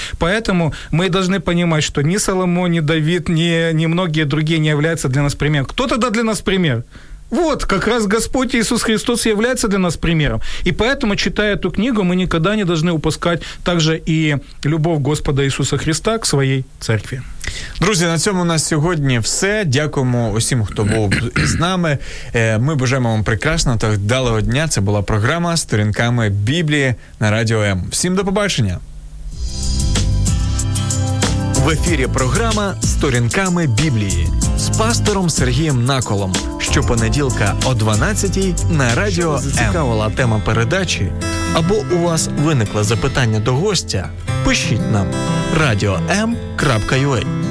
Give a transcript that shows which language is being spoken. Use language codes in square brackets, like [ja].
[ru] Поэтому мы должны понимать, что ни Соломон, ни Давид, ни многие другие не являются для нас примером. Кто тогда для нас пример? Вот, как раз Господь Иисус Христос является для нас примером. И поэтому, читая эту книгу, мы никогда не должны упускать также и любовь Господа Иисуса Христа к своей церкви. [uk] Друзі, на цьому у нас сьогодні все. Дякуємо усім, хто був із нами. Ми бажаємо вам прекрасного та вдалого дня. Це була програма «Сторінками Біблії» на Радіо М. Всім до побачення! В ефірі програма «Сторінками Біблії» з пастором Сергієм Наколом. Щопонеділка о 12:00 на Радіо М. Якщо зацікавила тема передачі або у вас виникло запитання до гостя, пишіть нам radio.m.ua.